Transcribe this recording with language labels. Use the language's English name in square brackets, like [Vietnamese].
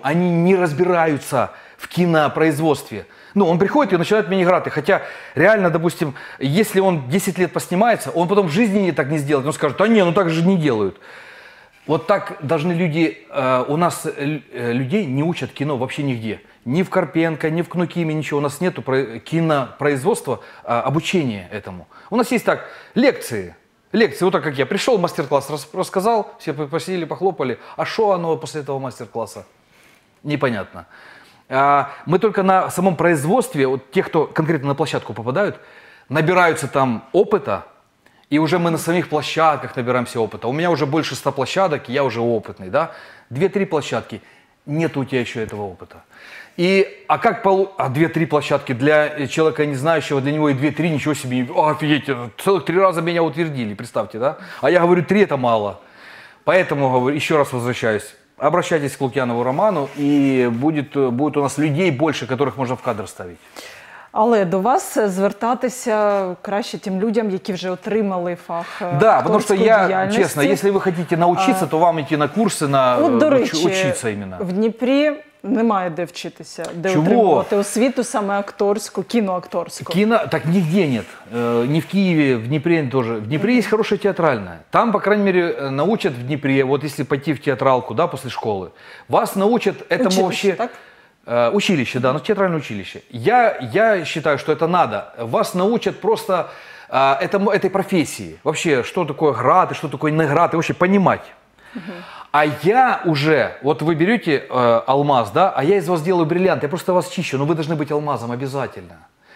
[Ukrainian] Вони не розбираються в кінопроизводстві. Ну, він приходить і починає мені грати. Хоча, реально, допустим, якщо він 10 років поснімається, він потім в житті так не зробить. Він скаже, та ні, ну так же не роблять. От так повинні люди, у нас людей не учать кіно взагалі нігде. [Russian] ни в Карпенко, ни в Кнукиме, ничего. У нас нету кинопроизводства, а обучения этому. У нас есть так, лекции. Лекции, вот так как я пришел, мастер-класс рассказал, все посидели, похлопали. А что оно после этого мастер-класса? Непонятно. А мы только на самом производстве, вот те, кто конкретно на площадку попадают, набираются там опыта, и уже мы на самих площадках набираемся опыта. У меня уже больше 100 площадок, я уже опытный, да? 2-3 площадки, нет у тебя еще этого опыта. И, а как, а 2-3 площадки для человека не знающего, для него и 2-3, ничего себе, офигеть, целых 3 раза меня утвердили, представьте, да? А я говорю, 3 это мало. Поэтому, говорю, еще раз возвращаюсь, обращайтесь к Лукьянову Роману, и будет у нас людей больше, которых можно в кадр ставить. [Ukrainian] Але до вас звертатися краще тим людям, які вже отримали фах. [Russian] Да, потому что я, честно, если вы хотите научиться, то вам идти на курсы, на учиться именно. [Ukrainian] В Дніпрі немає де вчитися, де отримувати освіту саме акторську, кіноакторську. [Russian] Так нигде нет. [Ukrainian] Ні в Києві, в Дніпрі теж. В Дніпрі є хороша театральна. [Russian] Там, по крайней мере, научать в Дніпрі, от если пойти в театралку, да, после школы. Вас научать этому вообще. Училище, да, но театральное училище. Я считаю, что это надо. Вас научат просто этой профессии. Вообще, что такое грат и что такое не грат, и вообще понимать. А я уже, вот вы берете алмаз, да, а я из вас делаю бриллиант, я просто вас чищу, но вы должны быть алмазом обязательно.